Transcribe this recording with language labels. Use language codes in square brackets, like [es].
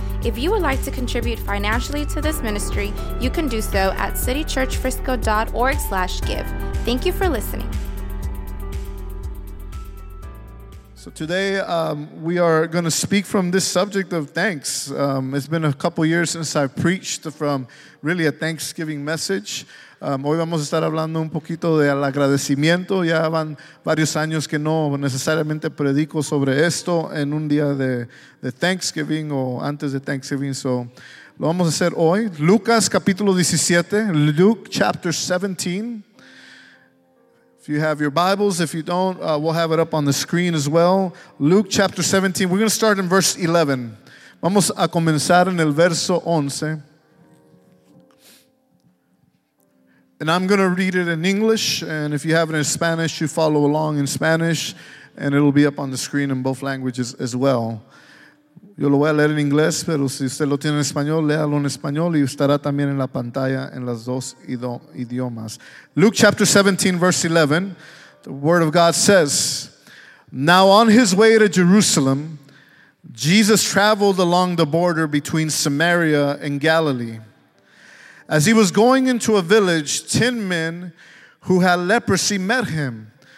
[en] If you would like to contribute financially to this ministry, you can do so at citychurchfrisco.org/give. Thank you for listening. So today we are going to speak from this subject of thanks. It's been a couple years since I preached from really a Thanksgiving message. [es] Hoy vamos a estar hablando un poquito del agradecimiento. Ya van varios años que no necesariamente predico sobre esto en un día de Thanksgiving o antes de Thanksgiving. So lo vamos a hacer hoy. Lucas capítulo 17, [en] Luke chapter 17. If you have your Bibles, if you don't, we'll have it up on the screen as well. Luke chapter 17, we're going to start in verse 11. [es] Vamos a comenzar en el verso 11. [en] And I'm going to read it in English, and if you have it in Spanish, you follow along in Spanish, and it'll be up on the screen in both languages as well. [es] Yo lo voy a leer en inglés, pero si usted lo tiene en español, léalo en español y estará también en la pantalla en las dos idiomas. [en] Luke chapter 17, verse 11, the word of God says, "Now on his way to Jerusalem, Jesus traveled along the border between Samaria and Galilee. As he was going into a village, 10 men who had leprosy met him.